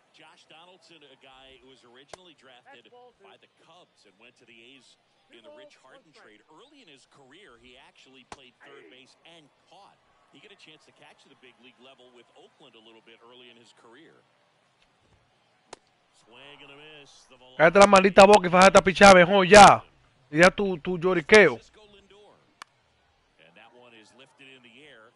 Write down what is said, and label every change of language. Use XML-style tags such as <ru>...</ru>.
<en>Josh Donaldson, a guy who was originally drafted by the Cubs and went to the A's in the Rich Harden trade. Early in his career, he actually played third base and caught. He got a chance to catch at the big league level with Oakland a little bit early in his career. Swing and a miss.</en> <es>Cállate la maldita boca y fájate a pichar mejor ya. Y ya tu lloriqueo.</es> <en>And that one is lifted in the air.</en>